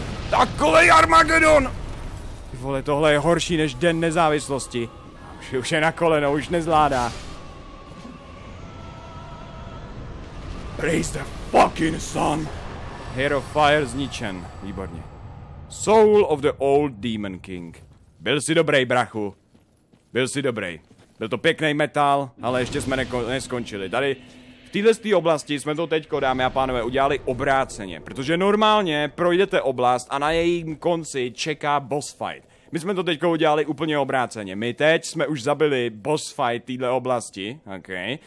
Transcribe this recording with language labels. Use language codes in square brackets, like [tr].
[cs] Takovej Armagedon! Ty vole, tohle je horší než Den nezávislosti. Už je na koleno, už nezvládá. [en] Praise the fucking sun! [cs] Hero Fire zničen, výborně. [en] Soul of the Old Demon King. [cs] Byl jsi dobrý, brachu. Byl jsi dobrý. Byl to pěkný metal, ale ještě jsme neskončili. Tady v této oblasti jsme to teďko, dámy a pánové, udělali obráceně. Protože normálně projdete oblast a na jejím konci čeká boss fight. My jsme to teďko udělali úplně obráceně. My teď jsme už zabili boss fight téhle oblasti, okay.